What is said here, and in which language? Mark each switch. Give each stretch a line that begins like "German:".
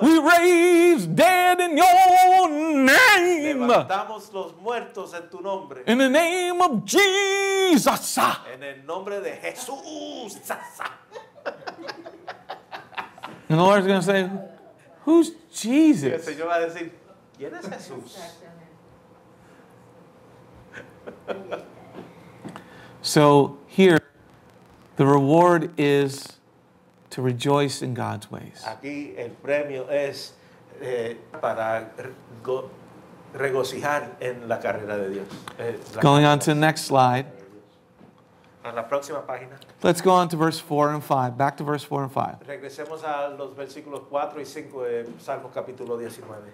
English: we raised dead in your name.
Spanish: Levantamos los muertos en tu nombre.
English: In the name of Jesus.
Spanish: En el nombre de Jesús.
English: And the Lord's going to say, who's Jesus?
Spanish: El Señor va a decir, ¿quién es Jesús?
English: So here, the reward is to rejoice in God's ways.
Spanish: Aquí el premio es para regocijar en la carrera de Dios.
English: Going on to the next slide.
Spanish: A la próxima página.
English: Let's go on to verse 4 and 5. Back to verse 4 and 5.
Spanish: Regresemos a los versículos 4 y 5 de Salmo capítulo 19.